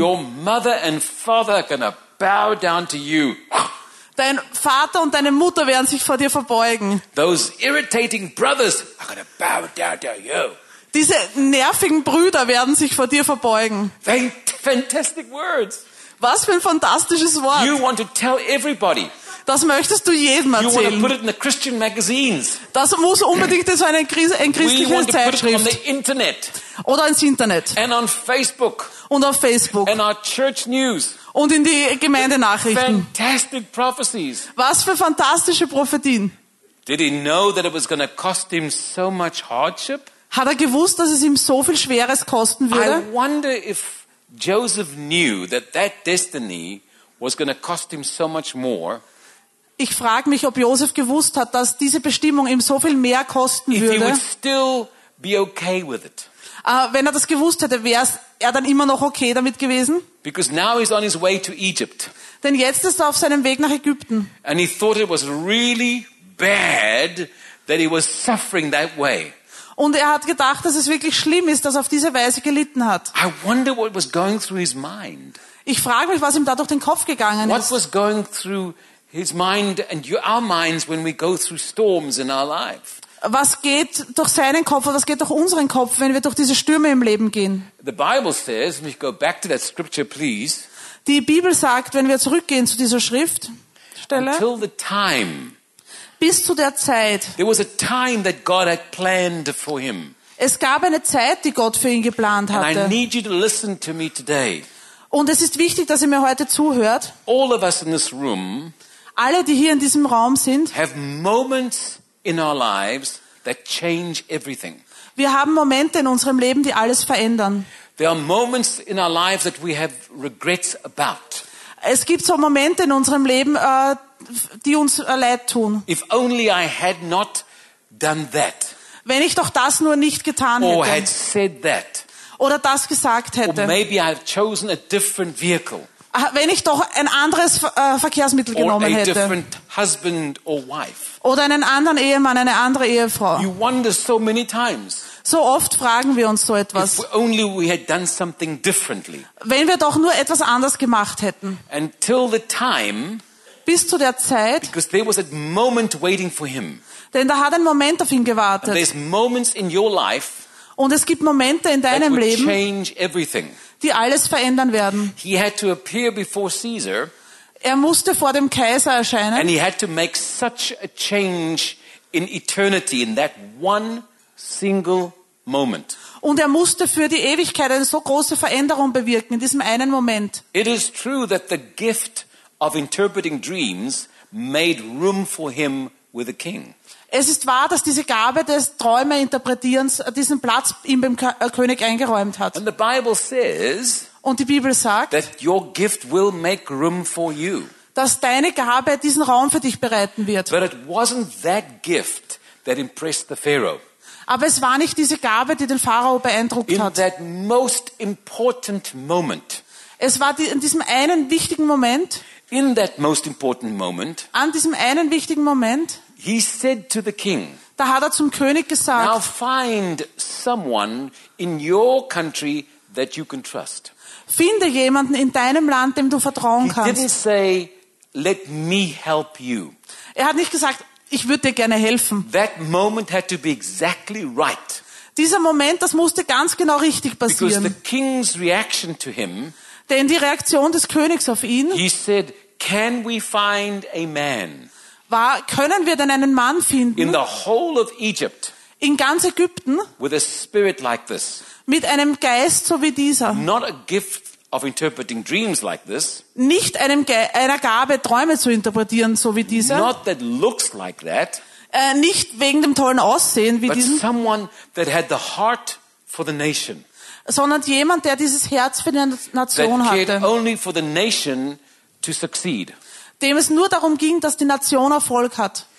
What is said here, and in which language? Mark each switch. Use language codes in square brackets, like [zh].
[en] Your mother and father are gonna bow down to you. [de] Dein Vater und deine Mutter werden sich vor dir verbeugen. [en] Those irritating brothers are gonna bow down to you. [de] Diese nervigen Brüder werden sich vor dir verbeugen. [en] Fantastic words. [de] Was für ein fantastisches Wort. [en] You want to tell everybody. [de] Das möchtest du jedem erzählen. [en] You want to put it in the Christian magazines. [de] Das muss unbedingt in so eine christliche Zeitschrift. [en] We want to put it on the internet. [de] Oder ins Internet. [en] And on Facebook. [de] Und auf Facebook. [en] And our church news. [de] Und in die Gemeindenachrichten. [en] Fantastic prophecies. [de] Was für fantastische Prophetien. [en] Did he know that it was going to cost him so much hardship? [de] Hat er gewusst, dass es ihm so viel Schweres kosten würde? [en] I wonder if Joseph knew that that destiny was going to cost him so much more. [de] Ich frage mich, ob Joseph gewusst hat, dass diese Bestimmung ihm so viel mehr kosten würde. [en] If he would still be okay with it. [de] Wenn er das gewusst hätte, wäre er dann immer noch okay damit gewesen? [en] Because now he's on his way to Egypt. [de] Denn jetzt ist er auf seinem Weg nach Ägypten. [en] And he thought it was really bad that he was suffering that way. [de] Und er hat gedacht, dass es wirklich schlimm ist, dass er auf diese Weise gelitten hat. [en] I wonder what was going through his mind. [de] Ich frage mich, was ihm da durch den Kopf gegangen [en] what [de] ist. [en] What was going through his mind and our minds when we go through storms in our life? [de] Was geht durch seinen Kopf oder was geht durch unseren Kopf, wenn wir durch diese Stürme im Leben gehen? [en] The Bible says, let me go back to that scripture, please. [de] Die Bibel sagt, wenn wir zurückgehen zu dieser Schriftstelle. [en] Until the time. [de] Bis zu der Zeit. [en] There was a time that God had planned for him. [de] Es gab eine Zeit, die Gott für ihn geplant hatte. [en] And I need you to listen to me today. [de] Und es ist wichtig, dass ihr mir heute zuhört. [en] All of us in this room, [de] alle, die hier in diesem Raum sind, [en] have moments in our lives that change everything. [de] Wir haben Momente in unserem Leben, die alles verändern. [en] There are moments in our lives that we have regrets about. [de] Es gibt so Momente in unserem Leben, die uns leid tun. [en] If only I had not done that. [de] Wenn ich doch das nur nicht getan [en] or [de] hätte. [en] Had said that. [de] Oder das gesagt hätte. [en] Or maybe I've chosen a different vehicle. [de] Wenn ich doch ein anderes Verkehrsmittel genommen [en] or a [de] hätte. [en] Different husband or wife. [de] Oder einen anderen Ehemann, eine andere Ehefrau. [en] You wonder so many times. [de] So oft fragen wir uns so etwas. [en] If only we had done something differently. [de] Wenn wir doch nur etwas anders gemacht hätten. [en] Until the time. [de] Bis zu der Zeit. [en] Because there was a moment waiting for him. [de] Denn da hat ein Moment auf ihn gewartet. [en] And there's moments in your life. [de] Und es gibt Momente in deinem [en] that [de] Leben. [en] Change everything. [de] Die alles verändern werden. [en] He had to appear before Caesar. [de] Er musste vor dem Kaiser erscheinen. [en] And he had to make such a change in eternity in that one single moment. [de] Und er musste für die Ewigkeit eine so große Veränderung bewirken in diesem einen Moment. [en] It is true that the gift of interpreting dreams made room for him with the king. [de] Es ist wahr, dass diese Gabe des Träumeinterpretierens diesen Platz ihm beim König eingeräumt hat. [en] And the Bible says, [de] und die Bibel sagt, [en] that your gift will make room for you. [de] Dass deine Gabe diesen Raum für dich bereiten wird. [en] But it wasn't that gift that impressed the Pharaoh. [de] Aber es war nicht diese Gabe, die den Pharao beeindruckt [en] in [de] hat. [en] In that most important moment. [de] Es war in diesem einen wichtigen Moment. [en] In that most important moment. [de] An diesem einen wichtigen Moment. [en] He said to the king. [de] Da hat er zum König gesagt. [en] Now find someone in your country that you can trust. [de] Finde jemanden in deinem Land, dem du vertrauen kannst. [en] He didn't say, let me help you. [de] Er hat nicht gesagt, ich würde dir gerne helfen. [en] That moment had to be exactly right. [de] Dieser Moment, das musste ganz genau richtig passieren. [en] Because the king's reaction to him. [de] Denn die Reaktion des Königs auf ihn. [en] He said, can we find a man? [de] War, können wir denn einen Mann finden? [en] In the whole of Egypt. [de] In ganz Ägypten. [en] With a spirit like this. [de] Mit einem Geist so wie dieser. [en] Not a gift of interpreting dreams like this. [de] Nicht einem einer Gabe Träume zu interpretieren so wie dieser. [en] Not that looks like that. [de] Nicht wegen dem tollen Aussehen wie [en] but [de] diesen. [en] But someone that had the heart for the nation. [de] Sondern jemand, der dieses Herz für die Nation [en] that [de] hatte. [en] Only for the nation to succeed. [de] Dem es nur darum ging, dass die Nation Erfolg hat.